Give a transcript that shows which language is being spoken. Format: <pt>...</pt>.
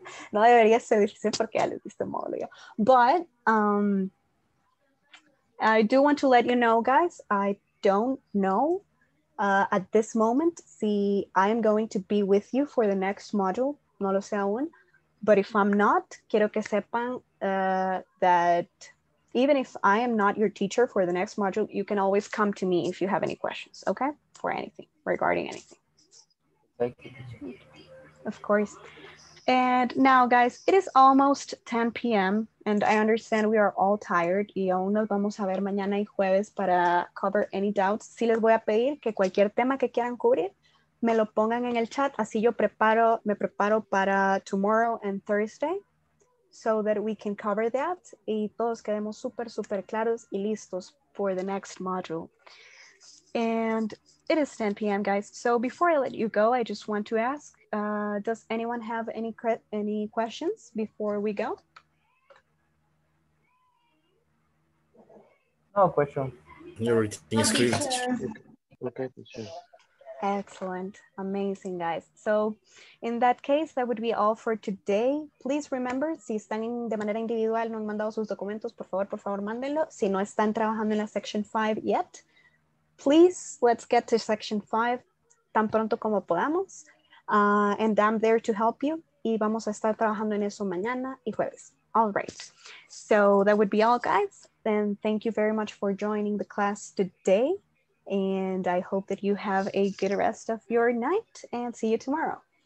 <es>No debería ser difícil porque ya les di este módulo yo.</es> <en>But I do want to let you know, guys, I don't know at this moment</en> <es>si</es> <en>I am going to be with you for the next module.</en> <es>No lo sé aún.</es> <en>But if I'm not,</en> <es>quiero que sepan</es> <en>that even if I am not your teacher for the next module, you can always come to me if you have any questions, okay? For anything, regarding anything. Thank you. Of course. And now, guys, it is almost 10 p.m. and I understand we are all tired.</en> <es>Y aún nos vamos a ver mañana y jueves para</es> <en>cover any doubts.</en> <es>Sí les voy a pedir que cualquier tema que quieran cubrir, me lo pongan en el chat, así yo preparo, me preparo para</es> <en>tomorrow and Thursday, so that we can cover that,</en> <es>y todos quedemos súper, súper claros y listos</es> <en>for the next module. And it is 10 p.m., guys. So before I let you go, I just want to ask, does anyone have any questions before we go? No question. Everything is clear. Okay, teacher. Excellent. Amazing, guys. So in that case, that would be all for today. Please remember,</en> <es>si están de manera individual, no han mandado sus documentos, por favor, mándenlo. Si no están trabajando en la</es> <en>section 5 yet, please let's get to section 5</en> <es>tan pronto como podamos.</es> <en>And I'm there to help you.</en> <es>Y vamos a estar trabajando en eso mañana y jueves.</es> <en>All right. So that would be all, guys. Then thank you very much for joining the class today. And I hope that you have a good rest of your night and see you tomorrow.</en>